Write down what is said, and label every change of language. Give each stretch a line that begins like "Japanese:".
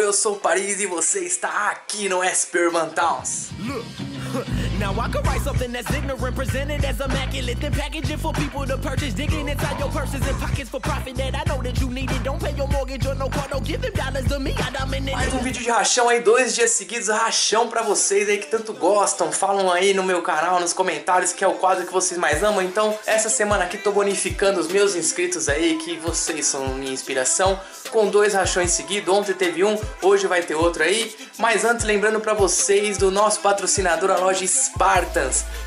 Portuguese: Eu sou o Paris e você está aqui no SP Urban Towns.
English: Now I could write something that's ignorant, presented as immaculate, then package it for people to purchase, digging inside your purses and pockets for profit that I know that you need it. Don't pay your mortgage or no car, don't give them dollars to me, I'm in it.
Portuguese: Mais um vídeo de rachão aí, dois dias seguidos, rachão pra vocês aí que tanto gostam. Falam aí no meu canal, nos comentários, que é o quadro que vocês mais amam. Então, essa semana aqui tô bonificando os meus inscritos aí, que vocês são minha inspiração, com dois rachões seguidos. Ontem teve um, hoje vai ter outro aí. Mas antes, lembrando pra vocês do nosso patrocinador, a loja Spartans.